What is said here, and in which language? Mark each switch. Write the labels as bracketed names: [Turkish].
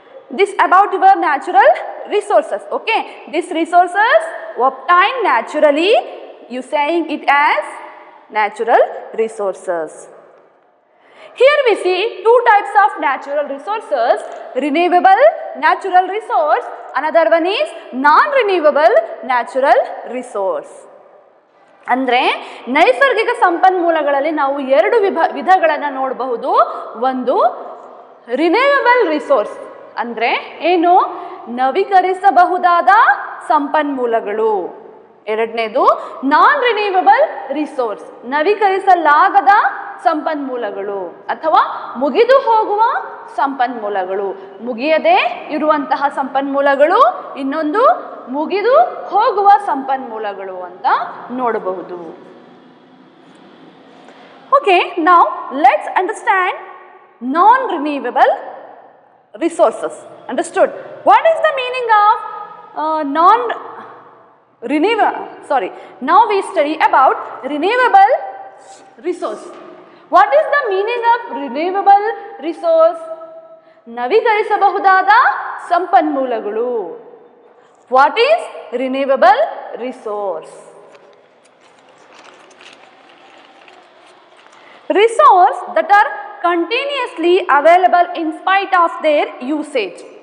[English] This about your natural resources. Okay, this resources obtain naturally, you saying it as natural resources. Here we see two types of natural resources: renewable natural resource. Another one is non-renewable natural resource. [Kannada] ಅಂದರೆ ನೈಸರ್ಗಿಕ ಸಂಪನ್ಮೂಲಗಳಲ್ಲಿ ನಾವು ಎರಡು ವಿಧಗಳನ್ನು ನೋಡಬಹುದು. ಒಂದು ರಿನೇವಬಲ್ resource, ಅಂದರೆ ಏನು? ನವೀಕರಿಸಬಹುದಾದ ಸಂಪನ್ಮೂಲಗಳು. ಎರಡನೇದು ನಾನ್ ರಿನೇವಬಲ್ ರಿಸೋರ್ಸ್, ನವೀಕರಿಸಲಾಗದ ಸಂಪನ್ಮೂಲಗಳು ಅಥವಾ ಮುಗಿದು ಹೋಗುವ ಸಂಪನ್ಮೂಲಗಳು. ಮುಗಿಯದೇ ಇರುವಂತಹ ಸಂಪನ್ಮೂಲಗಳು, ಇನ್ನೊಂದು ಮುಗಿದು ಹೋಗುವ ಸಂಪನ್ಮೂಲಗಳು ಅಂತ ನೋಡಬಹುದು. [English] Okay, ನಾವು let's understand non renewable resources. Understood? What is the meaning of non renew sorry ನಾವ್ we study about renewable resource. What is the meaning of renewable resource? [Kannada] ನವೀಕರಿಸಬಹುದಾದ ಸಂಪನ್ಮೂಲಗಳು. [English] What is renewable resource? Resource that are continuously available in spite of their usage.